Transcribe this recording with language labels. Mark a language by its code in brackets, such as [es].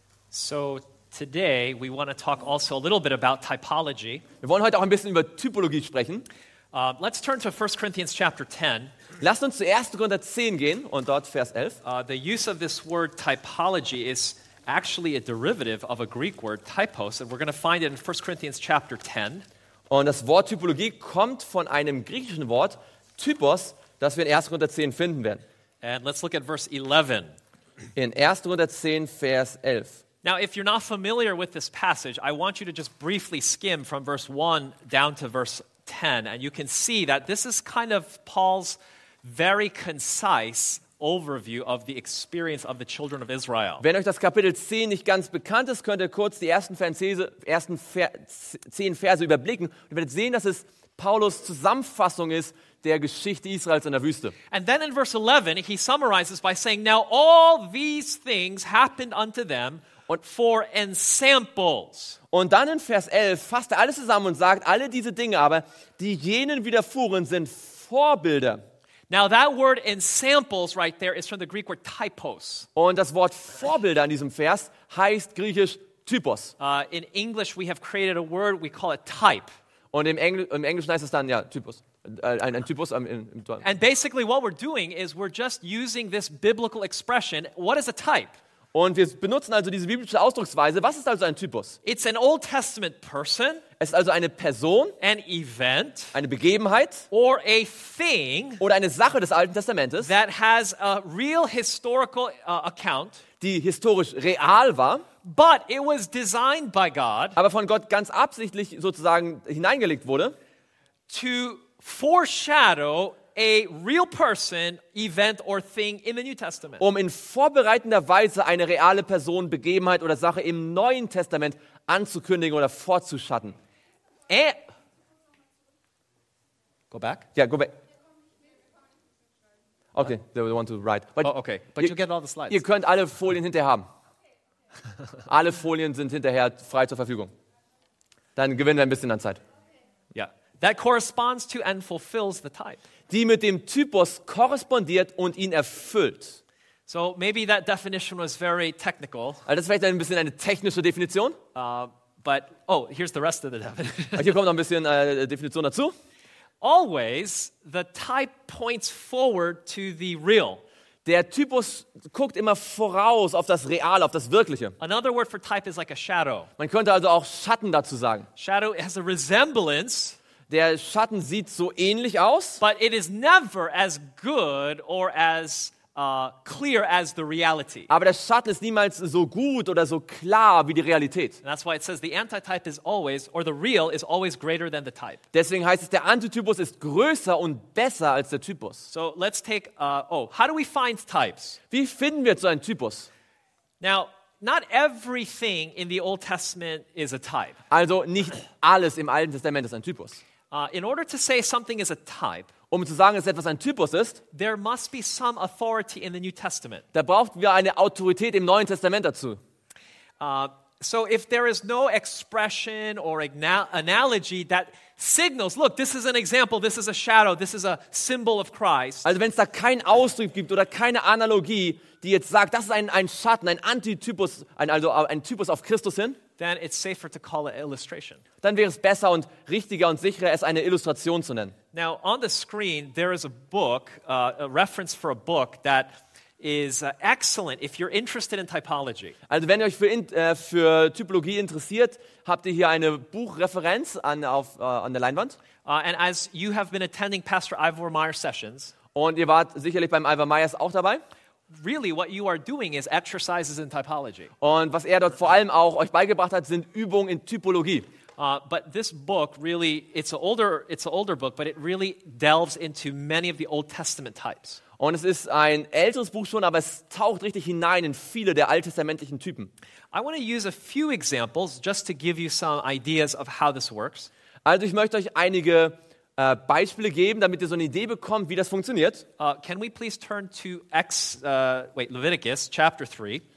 [en] So, today we want to talk also a little bit about typology. [de] Wir wollen heute auch ein bisschen über Typologie sprechen. [en] Let's turn to 1 Corinthians chapter 10. [de] Lasst uns zu 1. Korinther 10 gehen und dort Vers 11. [en] The use of this word typology is actually a derivative of a Greek word typos, and we're going to find it in 1 Corinthians chapter 10. [de] Und das Wort Typologie kommt von einem griechischen Wort typos, das wir in 1. Korinther 10 finden werden. [en] And let's look at verse 11. [de] In 1. Korinther 10 Vers 11. [en] Now, if you're not familiar with this passage, I want you to just briefly skim from verse 1 down to verse 10, and you can see that this is kind of Paul's very concise overview of the experience of the children of Israel. [de] Wenn euch das Kapitel 10 nicht ganz bekannt ist, könnt ihr kurz die ersten 10 Verse überblicken und werdet sehen, dass es Paulus' Zusammenfassung ist der Geschichte Israels in der Wüste. [en] And then in verse 11, he summarizes by saying, now all these things happened unto them, und for ensamples. [de] Und dann in Vers 11 fasst er alles zusammen und sagt, alle diese Dinge aber, die jenen widerfuhren, sind Vorbilder. [en] Now that word ensamples right there is from the Greek word typos. [de] Und das Wort Vorbilder in diesem Vers heißt griechisch typos. [en] In English we have created a word, we call it type. [de] Und im Englischen heißt es dann ja typos. Ein typos im Deutschen. [en] And basically what we're doing is we're just using this biblical expression, what is a type? [de] Und wir benutzen also diese biblische Ausdrucksweise. Was ist also ein Typus? [en] It's an Old Testament person. [de] Es ist also eine Person. [en] An event. [de] Eine Begebenheit. [en] Or a thing. [de] Oder eine Sache des Alten Testamentes. [en] That has a real historical account. [de] Die historisch real war. [en] But it was designed by God. [de] Aber von Gott ganz absichtlich sozusagen hineingelegt wurde. [en] To foreshadow a real person, event or thing in the New Testament. [de] Um in vorbereitender Weise eine reale Person, Begebenheit oder Sache im Neuen Testament anzukündigen oder vorzuschatten. [en] Go back. Okay, they want to write. But you get all the slides. [de] Ihr könnt alle Folien hinterher haben. Alle Folien sind hinterher frei zur Verfügung. Dann gewinnen wir ein bisschen an Zeit. [en] Yeah. That corresponds to and fulfills the type. [de] Die mit dem Typus korrespondiert und ihn erfüllt. [en] So maybe that definition was very technical. [de] Also das ist vielleicht ein bisschen eine technische Definition. [en] Here's the rest of the definition. [de] Hier kommt noch ein bisschen Definition dazu. [en] Always the type points forward to the real. [de] Der Typus guckt immer voraus auf das Reale, auf das Wirkliche. [en] Another word for type is like a shadow. [de] Man könnte also auch Schatten dazu sagen. [en] Shadow has a resemblance. [de] Der Schatten sieht so ähnlich aus. [en] But it is never as good or as clear as the reality. [de] Aber der Schatten ist niemals so gut oder so klar wie die Realität. [en] And that's why it says the antitype is always, or the real is always greater than the type. [de] Deswegen heißt es, der Antitypus ist größer und besser als der Typus. [en] So let's take, how do we find types? [de] Wie finden wir so einen Typus? [en] Now, not everything in the Old Testament is a type. [de] Also nicht alles im Alten Testament ist ein Typus. [en] In order to say something is a type, [de] um zu sagen, dass etwas ein Typus ist, [en] there must be some authority in the New Testament. [de] Da brauchen wir eine Autorität im Neuen Testament dazu. [en] So if there is no expression or analogy that signals, look, this is an example, this is a shadow, this is a symbol of Christ. [de] Also wenn es da keinen Ausdruck gibt oder keine Analogie, die jetzt sagt, das ist ein Schatten, ein Antitypus, ein Typus auf Christus hin, [en] then it's safer to call it illustration. [de] Dann wäre es besser und richtiger und sicherer, es eine Illustration zu nennen. [en] Now on the screen there is a book, a reference for a book that is excellent if you're interested in typology. [de] Also wenn ihr euch für Typologie interessiert, habt ihr hier eine Buchreferenz an der Leinwand. [en] And as you have been attending Pastor Ivor Meyer sessions, [de] und ihr wart sicherlich beim Ivor Meyer auch dabei. [en] Really what you are doing is exercises in typology. [de] Und was er dort vor allem auch euch beigebracht hat, sind Übungen in Typologie. [en] But this book really, it's an older book, but it really delves into many of the Old Testament types. [de] Und es ist ein älteres Buch schon, aber es taucht richtig hinein in viele der alttestamentlichen Typen. [en] I want to use a few examples just to give you some ideas of how this works. [de] Also ich möchte euch einige Beispiele geben, damit ihr so eine Idee bekommt, wie das funktioniert. [en] Can we please turn to Leviticus chapter 3?